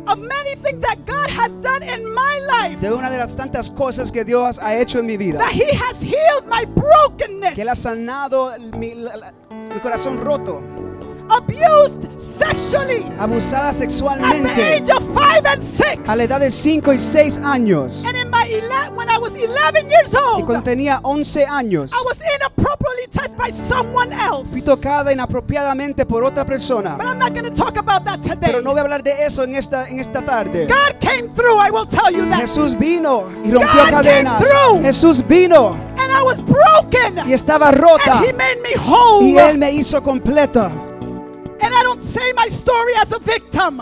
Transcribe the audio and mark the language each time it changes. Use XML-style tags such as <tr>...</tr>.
<en>Of many things that God has done in my life.</en> <es>De una de las tantas cosas que Dios ha hecho en mi vida.</es> <en>That He has healed my brokenness.</en> <es>Que Él ha sanado mi corazón roto.</es> <en>Abused sexually.</en> <es>Abusada sexualmente.</es> <en>At the age of 5 and 6.</en> <es>A la edad de 5 y 6 años.</es> <en>And in my when I was 11 years old.</en> <es>Y cuando tenía 11 años.</es> <en>I was inappropriately touched by someone else.</en> <es>Fui tocada inapropiadamente por otra persona.</es> <en>But I'm not going to talk about that today.</en> <es>Pero no voy a hablar de eso en esta tarde.</es> <en>God came through, I will tell you that.</en> <es>Jesús vino y rompió</es> <en>God</en> <es>cadenas.</es> <en>Came through.</en> <es>Jesús vino.</es> <en>And I was broken.</en> <es>Y estaba rota.</es> <en>And He made me whole.</en> <es>Y Él me hizo completa.</es> <en>And I don't say my story as a victim.</en>